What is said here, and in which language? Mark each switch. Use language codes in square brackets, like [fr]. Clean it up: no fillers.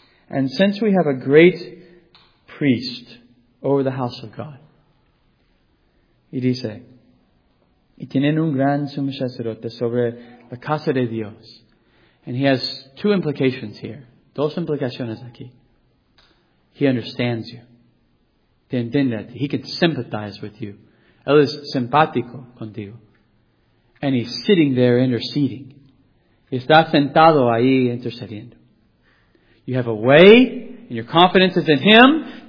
[en] And since we have a great priest over the house of God. [es] Y dice, y tienen un gran sumo sacerdote sobre la casa de Dios. [en] And he has two implications here. [es] Dos implicaciones aquí. [en] He understands you. [es] Te entiende a ti. [en] He can sympathize with you. [es] Él es simpático contigo. [en] And he's sitting there interceding. [es] Está sentado ahí intercediendo. [en] You have a way, and your confidence is in him.